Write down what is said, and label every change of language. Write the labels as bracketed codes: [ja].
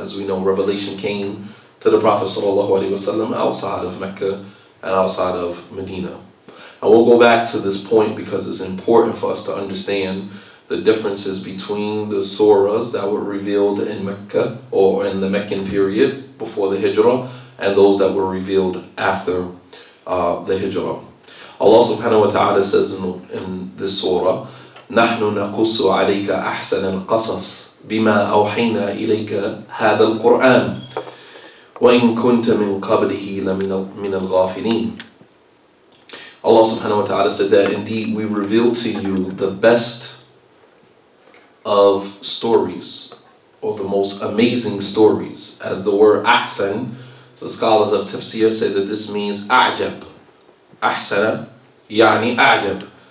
[en] As we know, revelation came to the Prophet Sallallahu Alaihi Wasallam outside of Mecca and outside of Medina. And we'll go back to this point because it's important for us to understand the differences between the surahs that were revealed in Mecca or in the Meccan period before the Hijrah and those that were revealed after the Hijrah. Allah subhanahu wa ta'ala says in this surah, [ar] نَحْنُ نَقُصُّ عَلَيْكَ أَحْسَنَ الْقَصَصِ بِمَا أَوْحَيْنَا إِلَيْكَ هَذَا الْقُرْآنِ وَإِنْ كُنْتَ مِنْ قَبْلِهِ لَمِنَ الْغَافِلِينَ. [en] Allah subhanahu wa ta'ala said that indeed we reveal to you the best of stories, or the most amazing stories, as the word أحسن, the scholars of tafsir say that this means أعجب. [ar] أحسن يعني أعجب.